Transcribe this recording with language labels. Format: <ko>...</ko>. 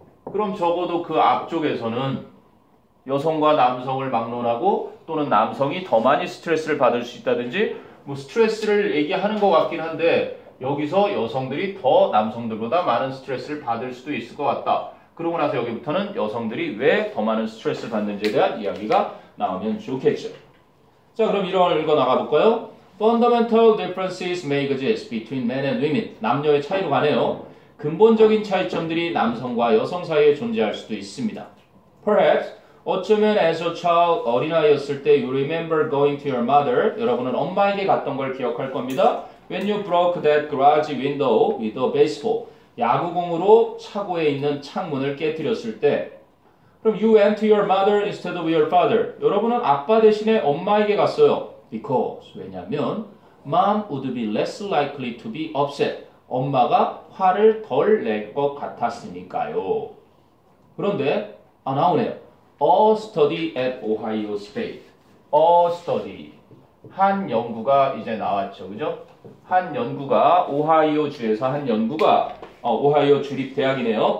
<ko>그럼 적어도 그 앞쪽에서는 여성과 남성을 막론하고 또는 남성이 더 많이 스트레스를 받을 수 있다든지 뭐 스트레스를 얘기하는 것 같긴 한데 여기서 여성들이 더 남성들보다 많은 스트레스를 받을 수도 있을 것 같다. 그러고 나서 여기부터는 여성들이 왜 더 많은 스트레스를 받는지에 대한 이야기가 나오면 좋겠죠. 자, 그럼 이런 걸 읽어나가볼까요?</ko> <en>Fundamental differences may exist between men and women.</en> <ko>남녀의 차이로 가네요. 근본적인 차이점들이 남성과 여성 사이에 존재할 수도 있습니다.</ko> <en>Perhaps,</en> <ko>어쩌면</ko> <en>as a child,</en> <ko>어린아이였을 때</ko> <en>you remember going to your mother.</en> <ko>여러분은 엄마에게 갔던 걸 기억할 겁니다.</ko> <en>When you broke that garage window with a baseball.</en> <ko>야구공으로 차고에 있는 창문을 깨뜨렸을 때.</ko> <en>그럼 you went to your mother instead of your father.</en> <ko>여러분은 아빠 대신에 엄마에게 갔어요.</ko> <en>Because, 왜냐면 mom would be less likely to be upset.</en> <ko>엄마가 화를 덜 낼 것 같았으니까요. 그런데 아, 나오네요.</ko> <en>A study at Ohio State.</en> <ko>A study. 한 연구가 이제 나왔죠. 그죠? 한 연구가 오하이오 주에서 한 연구가 오하이오 주립 대학이네요.</ko>